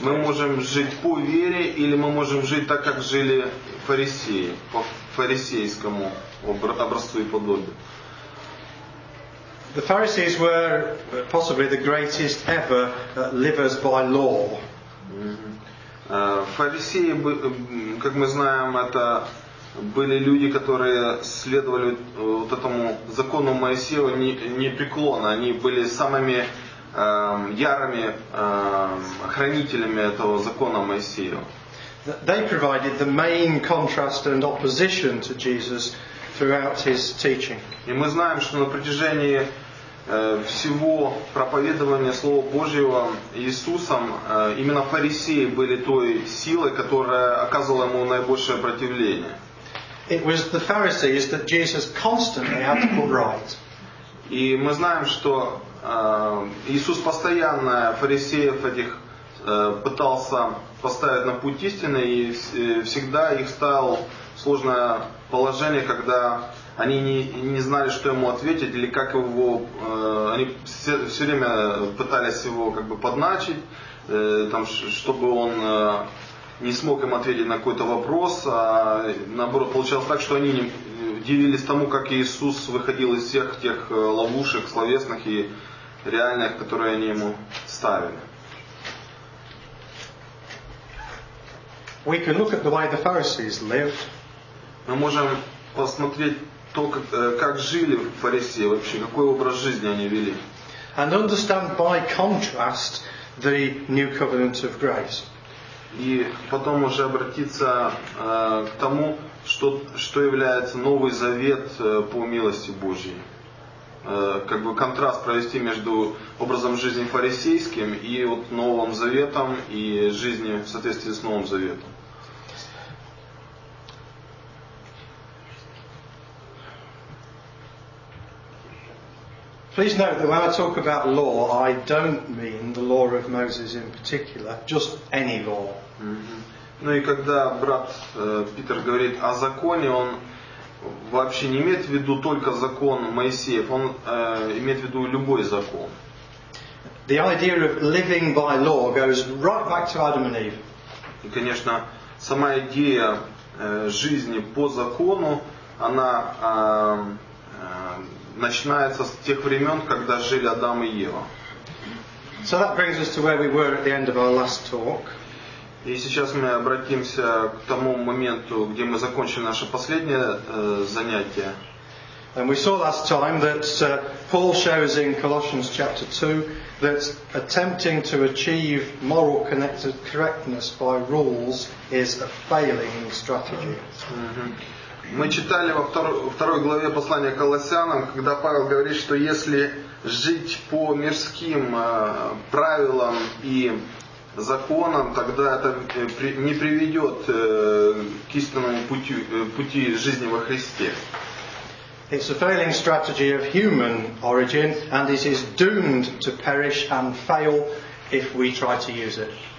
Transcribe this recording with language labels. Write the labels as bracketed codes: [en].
[ru] Мы можем жить по вере, или мы можем жить так, как жили фарисеи, по фарисейскому образцу и подобию. [en] The Pharisees were possibly the greatest ever livers by law. [ru] Фарисеи, как мы знаем, это были люди, которые следовали вот этому закону Моисея непреклонно. Они были самыми ярыми хранителями этого закона Моисея. [en] They provided the main contrast and opposition to Jesus throughout his teaching. [ru] И мы знаем, что на протяжении всего проповедования Слова Божьего Иисусом именно фарисеи были той силой, которая оказывала ему наибольшее противление. [en] It was the Pharisees that Jesus constantly had to put right. [ru] И мы знаем, что Иисус постоянно фарисеев этих пытался поставить на путь истины и всегда их ставил в сложное положение, когда они не знали, что ему ответить или как его, они все время пытались его как бы подначить, там, чтобы он не смог им ответить на какой-то вопрос, а наоборот получалось так, что они удивились тому, как Иисус выходил из всех тех ловушек словесных и реальных, которые они ему ставили. [en] We can look at the way the Pharisees lived. [ru] Мы можем посмотреть то, как жили фарисеи вообще, какой образ жизни они вели. [en] And understand by contrast the new covenant of grace. [ru] И потом уже обратиться к тому, что является Новый Завет по милости Божьей. Как бы контраст провести между образом жизни фарисейским и вот Новым Заветом и жизнью в соответствии с Новым Заветом. [en] Please note that when I talk about law, I don't mean the law of Moses in particular, just any law. Mm-hmm. [ru] Ну и когда брат Питер говорит о законе, он вообще не имеет в виду только закон Моисеев, он имеет в виду любой закон. [en] The idea of living by law goes right back to Adam and Eve. [ru] И, конечно, сама идея жизни по закону, она начинается с тех времен, когда жили Адам и Ева. [en] So that brings us to where we were at the end of our last talk. [ru] И сейчас мы обратимся к тому моменту, где мы закончили наше последнее занятие. [en] And we saw last time that Paul shows in Colossians chapter 2 that attempting to achieve moral correctness by rules is a failing strategy. Mm-hmm. [ru] Мы читали во второй главе послания Колоссянам, когда Павел говорит, что если жить по мирским правилам и законом, тогда это не приведет к истинному пути жизни во Христе. [en] It's a failing strategy of human origin, and it is doomed to perish and fail if we try to use it.